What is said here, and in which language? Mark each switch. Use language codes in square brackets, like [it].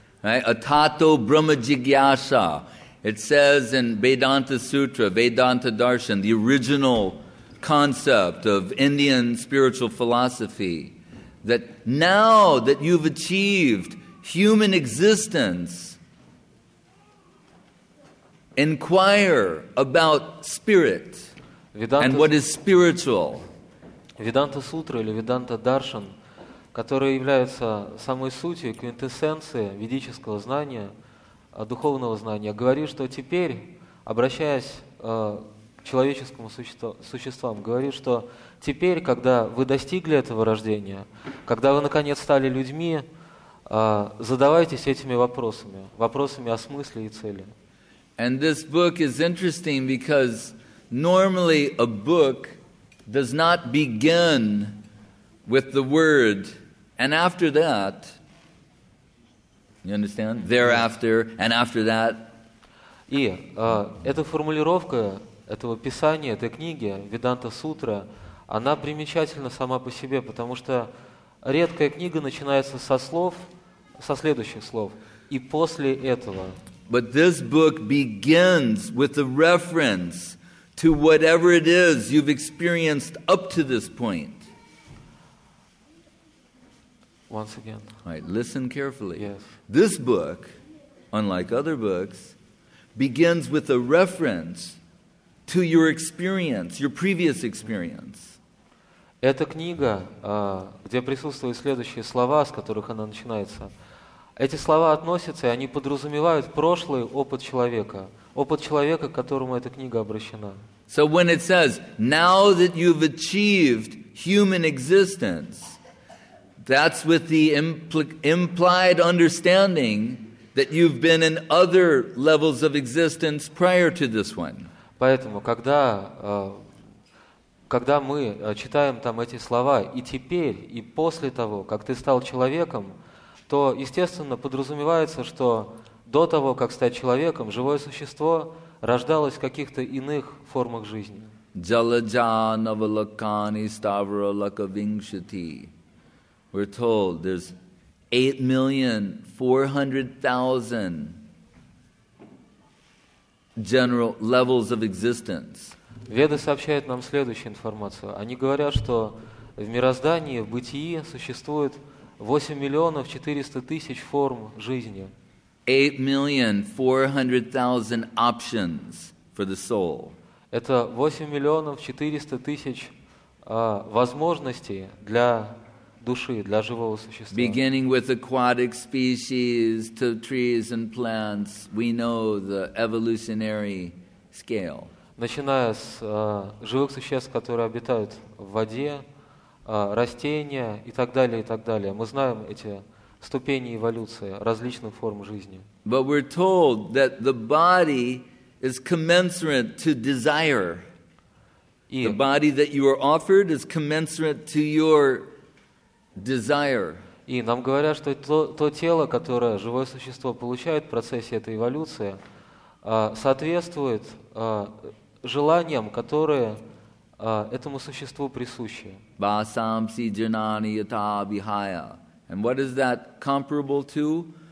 [en] Right? [sa] Atato Brahma Jigyasa. [en] It says in Vedanta Sutra, Vedanta Darshan, the original concept of Indian spiritual philosophy, that now that you've achieved human existence, inquire about spirit and what is spiritual. [ru] Vedanta Sutra или Vedanta Darshan, которые являются самой сутью, квинтэссенцией ведического знания, духовного знания, говорит, что теперь, обращаясь к человеческому существам, говорит, что теперь, когда вы достигли этого рождения, когда вы, наконец, стали людьми, задавайтесь этими вопросами, вопросами о смысле и цели. [en] And this book is interesting because normally a book does not begin with the word, and after that, you understand? Thereafter, and after that. [ru] И эта формулировка этого писания, этой книги, Vedanta Sutra, она примечательна сама по себе, потому что редкая книга начинается со слов, со следующих слов, и после этого. [en] But this book begins with a reference to whatever it is you've experienced up to this point. Once again. Right, listen carefully. Yes. This book, unlike other books, begins with a reference to your experience, your previous experience. [ru] Эта книга, где присутствуют следующие слова, с которых она начинается. Эти слова относятся, и они подразумевают прошлый опыт человека, к которому эта книга обращена. [en] So when it says, now that you've achieved human existence, that's with the implied understanding that you've been in other levels of existence prior to this one. [ru] Поэтому, когда мы читаем там эти слова, и теперь, и после того, как ты стал человеком, то, естественно, подразумевается, что до того, как стать человеком, живое существо рождалось в каких-то иных формах жизни. [sa] Джаладжа навалакани ставра лакавиншати. [en] We're told there's 8,400,000 general levels of existence. [ru] Веды сообщают нам следующую информацию. Они говорят, что в мироздании, в бытии существует 8,400,000 форм жизни. [en] 8,400,000 options for the soul. [ru] Это 8,400,000 возможностей для души, для живого существа. [en] Beginning with aquatic species to trees and plants, we know the evolutionary scale. [ru] Начиная с живых существ, которые обитают в воде, растения и так далее, и так далее. Мы знаем эти ступени эволюции различных форм жизни. [en] But we're told that the body is commensurate to desire. [ru] И [en] the body that you are offered is commensurate to your desire. [ru] И нам говорят, что то тело, которое живое существо получает в процессе этой эволюции, соответствует желаниям, которые этому существу присущи. [sa] Басамси джанани ята абихая. [en] And what is that comparable to?